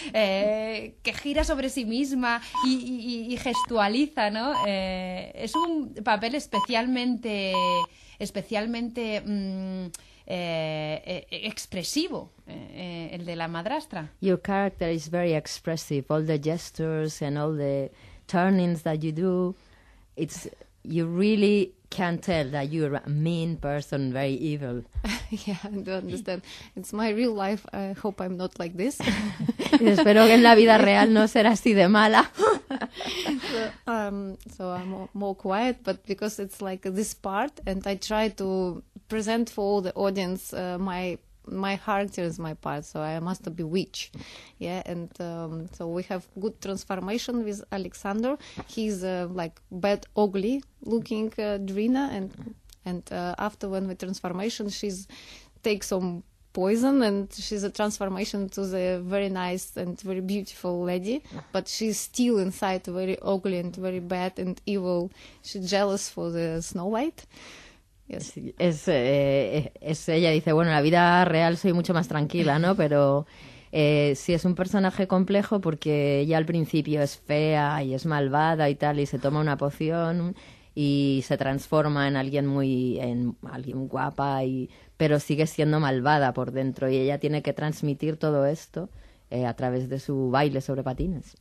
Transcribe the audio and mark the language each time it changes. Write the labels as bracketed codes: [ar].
[es] Que gira sobre sí misma y gestualiza, ¿no? Es un papel especialmente expresivo, el de la madrastra. [en] Your character is very expressive. All the gestures and all the turnings that you do, it's you really can tell that you're a mean person, very evil. Yeah, I do understand. It's my real life. I hope I'm not like this. [es] Y espero que en la vida real no será así de mala. [en] So I'm more quiet, but because it's like this part, and I try to present for all the audience my character is my part, so I must be witch. Yeah, and so we have good transformation with Alexander. He's like bad, ugly looking Drina, and after when the transformation, she's take some poison, and she's a transformation to the very nice and very beautiful lady, but she's still inside very ugly and very bad and evil. She's jealous for the Snow White. Yes. [es] Es ella dice, bueno, en la vida real soy mucho más tranquila, ¿no? Pero sí es un personaje complejo porque ella al principio es fea y es malvada y tal, y se toma una poción y se transforma en alguien muy, en alguien guapa, y pero sigue siendo malvada por dentro, y ella tiene que transmitir todo esto a través de su baile sobre patines.